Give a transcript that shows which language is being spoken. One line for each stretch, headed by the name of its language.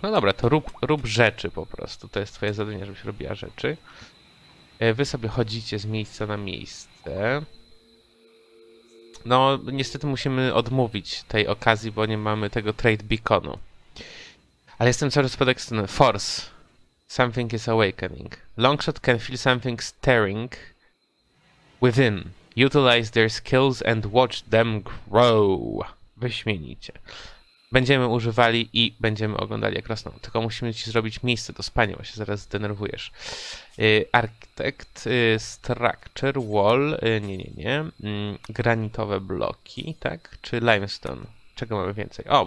Polish: No dobra, to rób rzeczy po prostu. To jest twoje zadanie, żebyś robiła rzeczy. Wy sobie chodzicie z miejsca na miejsce. No, niestety musimy odmówić tej okazji, bo nie mamy tego trade beaconu. Ale jestem cały czas podekscytowany.
English: Force. Something is awakening. Longshot can feel something stirring within. Utilize their skills and watch them grow.
Polish: Wyśmienicie. będziemy używali i będziemy oglądali, jak rosną. Tylko musimy ci zrobić miejsce do spania, bo się zaraz zdenerwujesz. Architekt, structure, wall, nie. Granitowe bloki, tak? Czy limestone? Czego mamy więcej?